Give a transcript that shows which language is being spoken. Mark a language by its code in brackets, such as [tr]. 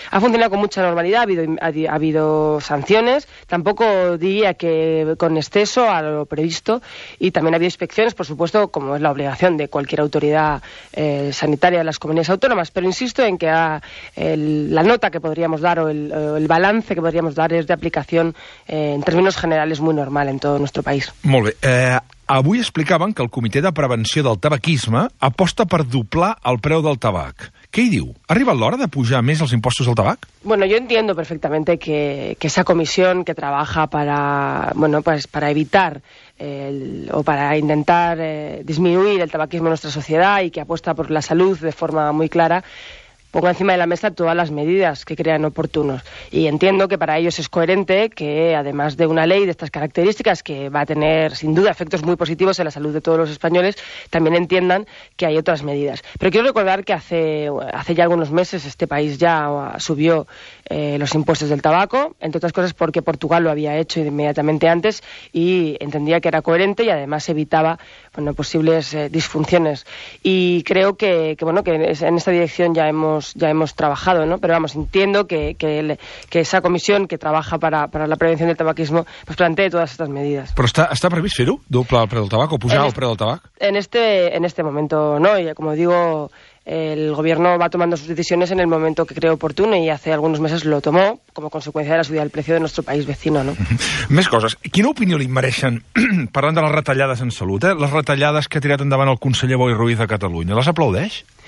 [es] Ha funcionado con mucha normalidad, ha habido sanciones, tampoco diría que con exceso a lo previsto, y también ha habido inspecciones, por supuesto, como es la obligación de cualquier autoridad sanitaria de las comunidades autónomas, pero insisto en que la nota que podríamos dar o el balance que podríamos dar es de aplicación en términos generales muy normal en todo nuestro país. [ca] Molt bé. Avui explicaven que el Comitè de Prevenció del Tabaquisme aposta per doblar el preu del tabac. Què hi diu? Ha arribat l'hora de pujar més els impostos al tabac? [es] Bueno, yo entiendo perfectamente que esa comisión que trabaja para evitar para intentar disminuir el tabaquismo en nuestra sociedad y que apuesta por la salud de forma muy clara, ponga encima de la mesa todas las medidas que crean oportunos. Y entiendo que para ellos es coherente que, además de una ley de estas características, que va a tener, sin duda, efectos muy positivos en la salud de todos los españoles, también entiendan que hay otras medidas. Pero quiero recordar que hace ya algunos meses este país ya subió los impuestos del tabaco, entre otras cosas porque Portugal lo había hecho inmediatamente antes y entendía que era coherente y, además, evitaba, bueno, posibles disfunciones. Y creo que en esta dirección ya hemos trabajado, ¿no? Pero vamos, entiendo que esa comisión que trabaja para la prevención del tabaquismo pues plantee todas estas medidas. [ca] Però està previst fer-ho, doble el preu del tabac o pujar el preu del tabac? [es] En este momento no, y como digo, el gobierno va tomando sus decisiones en el momento que cree oportuno y hace algunos meses lo tomó como consecuencia de la subida del precio de nuestro país vecino, ¿no? [ca] Més coses. Quina opinió li mereixen, parlant de les retallades en salut, les retallades que ha tirat endavant el conseller Boi Ruiz de Catalunya? Les aplaudeix?